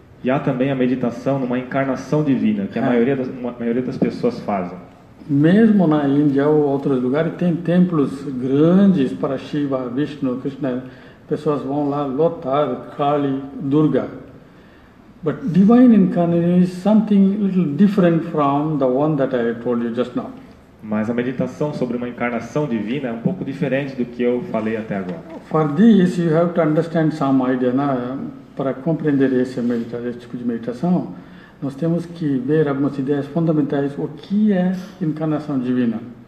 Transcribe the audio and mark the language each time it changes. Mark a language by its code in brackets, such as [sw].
[pt] E há também a meditação numa encarnação divina, que a maioria das pessoas fazem. Mesmo na Índia ou outros lugares, tem templos grandes para Shiva, Vishnu, Krishna. Pessoas vão lá lotar Kali, Durga. [en] But divine incarnation is something a little different from the one that I told you just now. [pt] Mas a meditação sobre uma encarnação divina é um pouco diferente do que eu falei até agora. [en] For this, you have to understand some idea. Now, [pt] para compreender esse, tipo de meditação, nós temos que ver algumas ideias fundamentais, o que é encarnação divina.